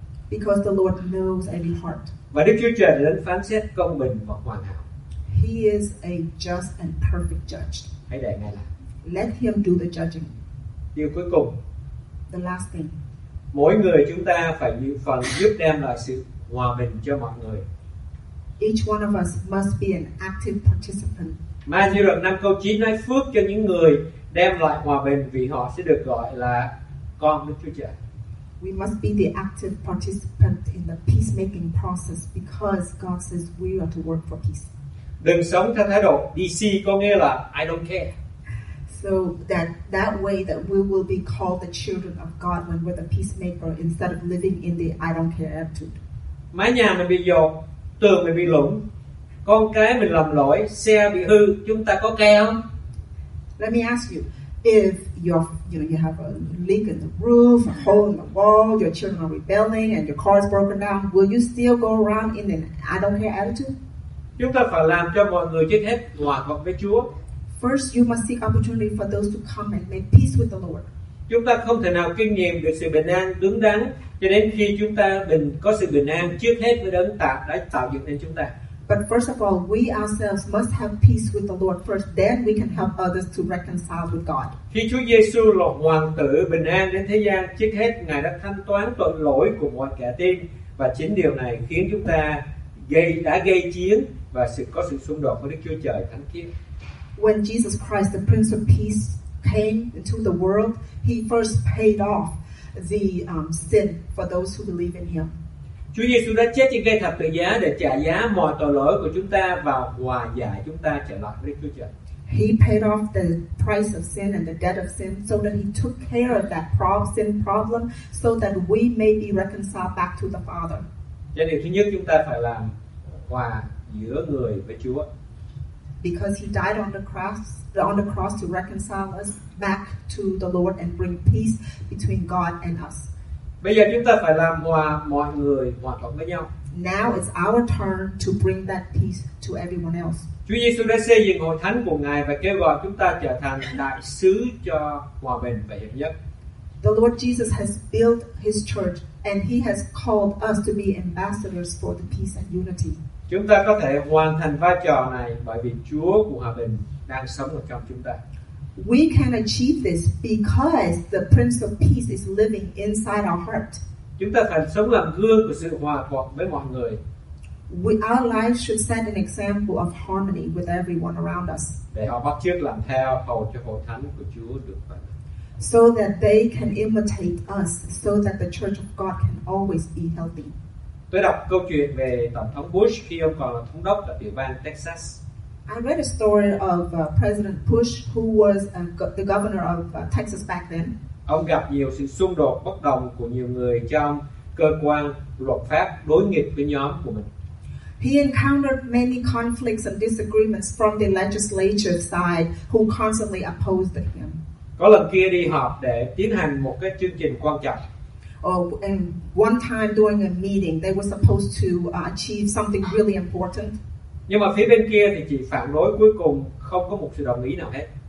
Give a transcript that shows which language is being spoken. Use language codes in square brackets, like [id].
[en] Because the Lord knows every heart. [vi] Và Đức Chúa Trời đến phán xét công bình và hoàn hảo. [en] He is a just and perfect judge. [vi] Hãy để Ngài làm. [en] Let him do the judging. [vi] Điều cuối cùng. [en] The last thing. [vi] Mỗi người chúng ta phải như phần giúp đem lại sự hòa bình cho mọi người. [en] Each one of us must be an active participant. [vi] Matthew đoạn 5 câu 9 nói phước cho những người đem lại hòa bình vì họ sẽ được gọi là con Đức Chúa Trời. [en] We must be the active participant in the peacemaking process because God says we are to work for peace. [vi] Đừng sống theo thái độ DC, có nghĩa là [en] I don't care. So that way that we will be called the children of God when we're the peacemaker instead of living in the I don't care attitude. [vi] Mái nhà mình bị dột, tường mình bị lủng, con cái mình lầm lỗi, xe bị hư, chúng ta có care không? [en] Let me ask you. If you have a leak in the roof, a hole in the wall, your children are rebelling and your car is broken down, will you still go around in an I don't care attitude? [vi] Chúng ta phải làm cho mọi người chết hết hòa thuận với Chúa. [en] First, you must seek opportunity for those to come and make peace with the Lord. [vi] Chúng ta không thể nào kinh nghiệm được sự bình an đứng đắn cho đến khi chúng ta mình có sự bình an trước hết với Đấng Tạo đã tạo dựng nên chúng ta. [en] But first of all, we ourselves must have peace with the Lord first. Then we can help others to reconcile with God. [vi] Khi Chúa Giêsu là Hoàng tử bình an đến thế gian, trước hết Ngài đã thanh toán tội lỗi của mọi kẻ tin, và chính điều này khiến chúng ta đã gây chiến và có sự xung đột với Đức Chúa Trời Thánh Khiết. [en] When Jesus Christ, the Prince of Peace, came into the world, He first paid off the sin for those who believe in Him. [vi] Chúa Giêsu đã chết trên cây thập tự giá để trả giá mọi tội lỗi của chúng ta và hòa giải chúng ta trở lại với Chúa Trời. [en] He paid off the price of sin and the debt of sin so that He took care of that sin problem so that we may be reconciled back to the Father. [vi] Cho nên điều thứ nhất chúng ta phải làm hòa giữa người với Chúa. [en] Because He died on the cross to reconcile us back to the Lord and bring peace between God and us. [vi] Bây giờ chúng ta phải làm hòa mọi người hòa thuận với nhau. [en] Now it's our turn to bring that peace to everyone else. [vi] Chúa Giêsu đã xây dựng hội thánh của Ngài và kêu gọi chúng ta trở thành đại sứ cho hòa bình và hiệp nhất. [en] The Lord Jesus has built His church and He has called us to be ambassadors for the peace and unity. [vi] Chúng ta có thể hoàn thành vai trò này bởi vì Chúa của hòa bình đang sống ở trong chúng ta. [en] We can achieve this because the Prince of Peace is living inside our heart. [vi] Chúng ta phải sống làm gương của sự hòa thuận với mọi người. [en] Our lives should set an example of harmony with everyone around us. [vi] Để họ bắt chước làm theo, hầu cho hội thánh của Chúa được vậy. [en] So that they can imitate us, so that the Church of God can always be healthy. [vi] Tôi đọc câu chuyện về Tổng thống Bush khi ông còn là thống đốc ở tiểu bang Texas. [en] I read a story of President Bush, who was the governor of Texas back then. [vi] Ông gặp nhiều sự xung đột bất đồng của nhiều người trong cơ quan luật pháp đối nghịch với nhóm của mình. [en] He encountered many conflicts and disagreements from the legislature side, who constantly opposed him. [vi] Có lần kia đi họp để tiến hành một cái chương trình quan trọng. [en] And one time during a meeting, they were supposed to achieve something really important. [vi] Nhưng mà phía bên kia thì chỉ phản đối, cuối cùng không có một sự đồng ý nào hết.